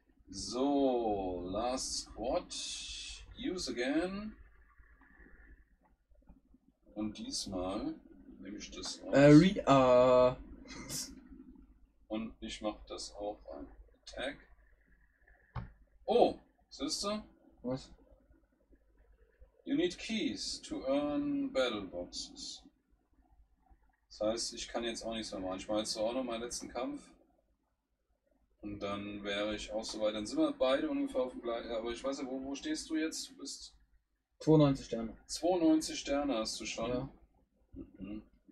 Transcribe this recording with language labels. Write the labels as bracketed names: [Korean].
[English] So, last squad. Use again. [German] Und diesmal nehme ich das aus. Area. Und ich mache das auch ein Attack. Oh, siehst du? Was? [English] You need keys to earn battle boxes. [German] Das heißt, ich kann jetzt auch nichts mehr machen. Ich mache jetzt auch noch meinen letzten Kampf. Und dann wäre ich auch soweit. Dann sind wir beide ungefähr auf dem gleichen. Aber ich weiß ja, wo stehst du jetzt? Du bist 92 Sterne. 92 Sterne hast du Ja. schon.